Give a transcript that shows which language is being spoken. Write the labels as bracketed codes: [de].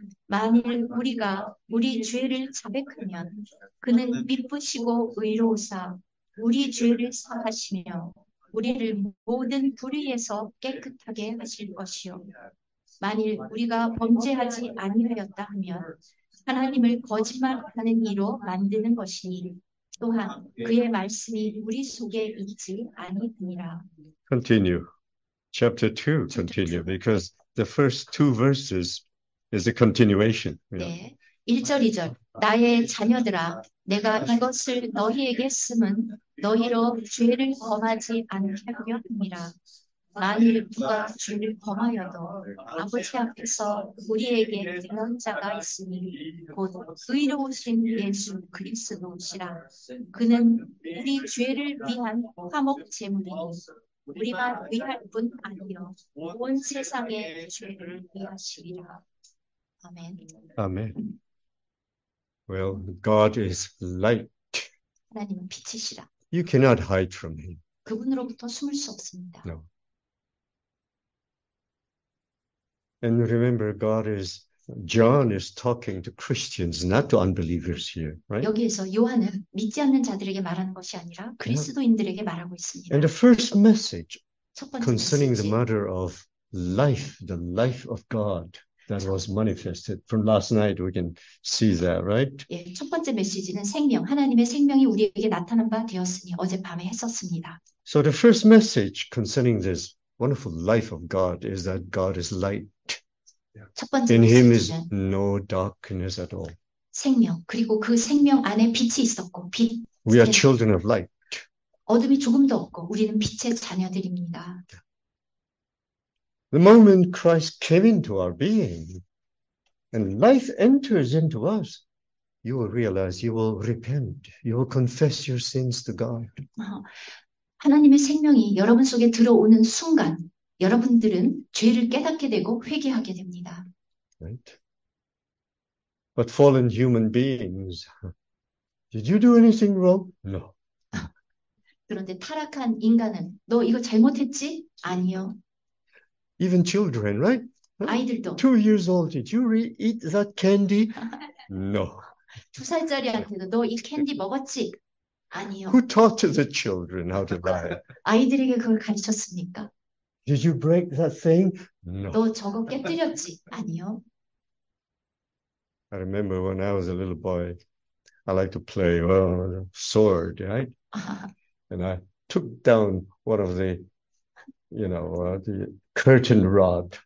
[ko] 만일 우리가 우리 죄를 자백하면 그는 미쁘시고 의로우사 우리 죄를 사하시며 우리를 모든 불의에서 깨끗하게 하실 것이요. 만일 우리가 범죄하지 아니하였다 하면 하나님을 거짓말하는 이로 만드는 것이니 또한 그의 말씀이 우리 속에 있지 아니하니라. [en] Continue. Chapter 2, continue, Chapter 2. because the first two verses is a continuation. [ko] 네. 1절, 2절. 나의 자녀들아, 내가 이것을 너희에게 쓰면 너희로 죄를 범하지 않게 하려 합니다. 만일 누가 죄를 범하여도 아버지 앞에서 우리에게 대언자가 있으니 곧 의로우신 예수 그리스도시라. 그는 우리 죄를 위한 화목 제물이니 우리만 위할 뿐 아니요 온 세상의 죄를 위하시리라. 아멘. 아멘. [en] Well, God is light. [ko] 하나님은 빛이시라. [en] You cannot hide from him. [ko] 그분으로부터 숨을 수 없습니다. [en] No. And remember, God is, John is talking to Christians, not to unbelievers here, right? [ko] 여기에서 요한은 믿지 않는 자들에게 말하는 것이 아니라 [en] Yeah. [ko] 그리스도인들에게 말하고 있습니다. [en] And the first message [ko] 첫 번째 [en] concerning the [ko] 메시지. [en] matter of life, the life of God. That was manifested from last night. We can see that, right? [ko] 첫 번째 메시지는 생명, 하나님의 생명이 우리에게 나타난 바 되었으니 어젯밤에 했었습니다. [en] So the first message concerning this wonderful life of God is that God is light. [ko] 첫 번째 [en] In him is [ko] 메시지는 [en] no darkness at all. [ko] 생명, 그리고 그 생명 안에 빛이 있었고, 빛에 [en] We are children of light. [ko] 어둠이 조금도 없고, 우리는 빛의 자녀들입니다. [en] The moment Christ came into our being and life enters into us, you will realize you will repent. You will confess your sins to God. [ko] 하나님의 생명이 여러분 속에 들어오는 순간, 여러분들은 죄를 깨닫게 되고 회개하게 됩니다. [en] Right? But fallen human beings, did you do anything wrong? No. [ko] 그런데 타락한 인간은 너 이거 잘못했지? 아니요. [en] Even children, right? Huh? [ko] 아이들도 [en] 2 years old, did you eat that candy? No. [ko] 2살짜리한테도 너이 캔디 먹었지? 아니요. [en] Who taught the children how to lie? [ko] 아이들에게 그걸 가르쳤습니까? [en] Did you break that thing? No. [ko] 너 저거 깨뜨렸지? 아니요. [en] I remember when I was a little boy, I liked to play, well, sword, right? And I took down one of the, the curtain rod.